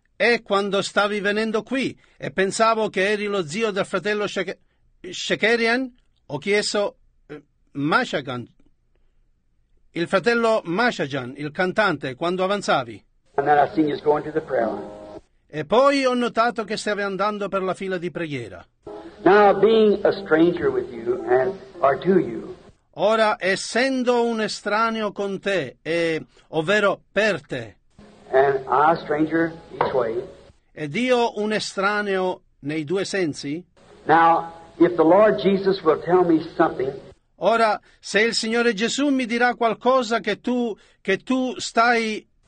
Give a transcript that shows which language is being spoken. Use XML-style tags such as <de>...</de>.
<it>E quando stavi venendo qui e pensavo che eri lo zio del fratello Shekarian, ho chiesto Meshagan. Il fratello Meshagan, il cantante, quando avanzavi.</it> <en>And then I seen you going to the prayer line.</en> <it>E poi ho notato che stavi andando per la fila di preghiera.</it> <en>Now, being a stranger with you and, or to you.</en> <it>Ora, essendo un estraneo con te, e, ovvero per te.</it> <en>And I a stranger each way.</en> <it>Ed io un estraneo nei due sensi.</it> <en>Now, if the Lord Jesus will tell me something.</en> <it>Ora, se il Signore Gesù mi dirà qualcosa che tu stai...</it>